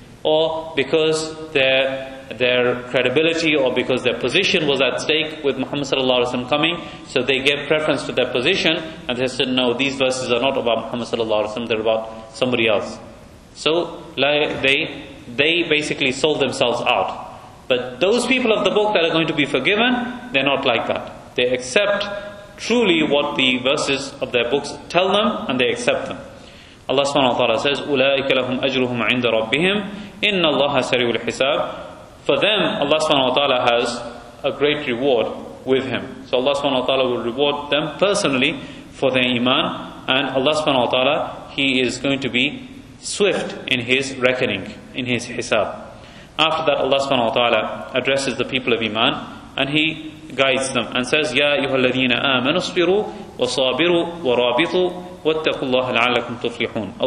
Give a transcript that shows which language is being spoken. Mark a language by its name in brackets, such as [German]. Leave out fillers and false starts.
[English] Or because their credibility, or because their position was at stake with Muhammad sallallahu alaihi wasallam coming, so they gave preference to their position and they said, no, these verses are not about Muhammad sallallahu alaihi wasallam, they're about somebody else. So they basically sold themselves out. But those people of the book that are going to be forgiven, they're not like that. They accept truly what the verses of their books tell them, and they accept them. Allah subhanahu wa ta'ala says, [Arabic] أُولَٰئِكَ لَهُمْ أَجْرُهُمْ عِنْدَ رَبِّهِمْ إِنَّ اللَّهَ سَرِيعُ الْحِسَابِ. [English] For them, Allah subhanahu wa ta'ala has a great reward with him. So Allah subhanahu wa ta'ala will reward them personally for their iman, and Allah subhanahu wa ta'ala, he is going to be swift in his reckoning, in his hisab. After that, Allah subhanahu wa ta'ala addresses the people of iman, and he guides them and says, [Arabic] يَا أَيُّهَا الَّذِينَ آمَنُوا اصْبِرُوا وَصَابِرُوا وَرَابِطُوا وَاتَّقُوا اللَّهَ لَعَلَّكُمْ تُفْلِحُونَ.